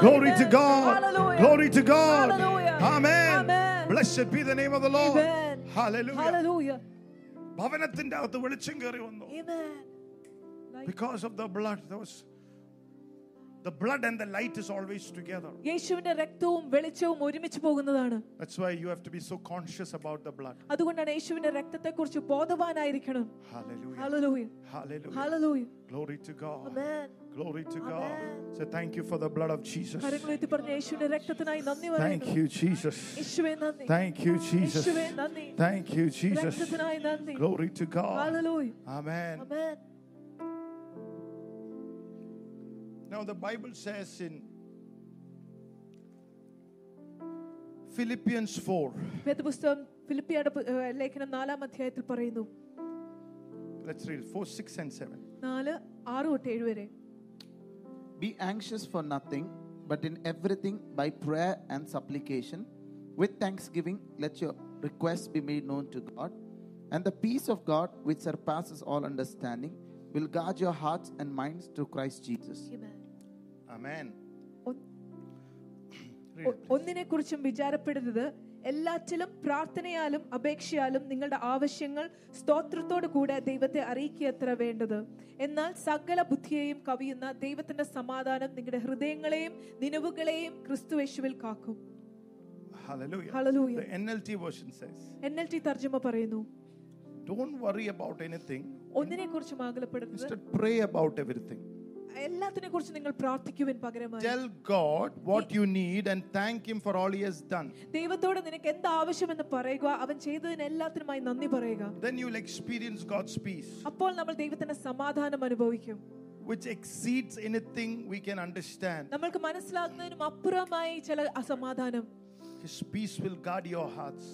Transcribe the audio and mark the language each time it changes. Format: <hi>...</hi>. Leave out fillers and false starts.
<en>Glory to God. Glory to God. Amen. Blessed be the name of the Lord. Hallelujah. Amen. Because of the blood, there was the blood and the light is always together.</en> <ml>യേശുവിന്റെ രക്തവും വെളിച്ചവും ഒരുമിച്ച് പോകുന്നതാണ്.</ml> <en>That's why you have to be so conscious about the blood.</en> <ml>അതുകൊണ്ടാണ് യേശുവിന്റെ രക്തത്തെക്കുറിച്ച് ബോധവാനായിരിക്കണം.</ml> <en>Hallelujah. Hallelujah. Hallelujah. Hallelujah. Glory to God. Amen. Glory to God. So thank you for the blood of Jesus.</en> <ml>കരുണയോടെ പറഞ്ഞ യേശുവിന്റെ രക്തത്തിനായി നന്ദി പറയുന്നു.</ml> <en>Thank you Jesus.</en> <ml>യേശുവേ നന്ദി.</ml> <en>Thank you Jesus.</en> <ml>യേശുവേ നന്ദി.</ml> <en>Thank you Jesus.</en> <ml>രക്തത്തിനായി നന്ദി.</ml> <en>Glory to God. Hallelujah. Amen. Amen. Now the Bible says in Philippians 4.</en> <ml>Petrusam Philippians lekhanam 4am adhyayathil parayunu.</ml> <en>Let's read 4, 6 and 7.</en> <ml>4 6 ot 7 vare.</ml> <en>Be anxious for nothing, but in everything by prayer and supplication with thanksgiving let your requests be made known to God, and the peace of God which surpasses all understanding will guard your hearts and minds through Christ Jesus. Amen. Amen.</en> <ml>ഒന്നിനെ കുറിച്ചും വിചാരപ്പെടരുത്, എല്ലാറ്റിലും പ്രാർത്ഥനയാലും അപേക്ഷയാലും നിങ്ങളുടെ ആവശ്യങ്ങൾ സ്തോത്രത്തോടു കൂടെ ദൈവത്തെ അറിയിക്കുകയത്ര വേണ്ടത്. എന്നാൽ സകല ബുദ്ധിയെയും കവിയുന്ന ദൈവത്തിന്റെ സമാധാനം നിങ്ങളുടെ ഹൃദയങ്ങളെയും നിനവുകളെയും ക്രിസ്തു യേശുവിൽ കാക്കും.</ml> <en>Hallelujah. Hallelujah. The NLT version says.</en> <ml>NLT തർജ്ജമ പറയുന്നു.</ml> <en>Don't worry about anything.</en> <ml>ഒന്നിനെ കുറിച്ചും ആകുലപ്പെടരുത്.</ml> <en>Instead pray about everything.</en> <ml>എല്ലാത്തിനെ കുറിച്ച് നിങ്ങൾ പ്രാർത്ഥിക്കുവിൻ പകരമായി.</ml> <en>Tell God what you need and thank him for all he has done.</en> <ml>ദൈവത്തോട് നിനക്ക് എന്ത് ആവശ്യമെന്ന് പറയുക, അവൻ ചെയ്തതിനെല്ലാത്തിനുമായി നന്ദി പറയുക.</ml> <en>Then you will experience God's peace.</en> <ml>അപ്പോൾ നമ്മൾ ദൈവത്തിന്റെ സമാധാനം അനുഭവിക്കും.</ml> <en>Which exceeds anything we can understand.</en> <ml>നമ്മൾക്ക് മനസ്സിലാകുന്നതിനും അപ്പുറമായി ചില അസമാധാനം.</ml> <en>His peace will guard your hearts.</en>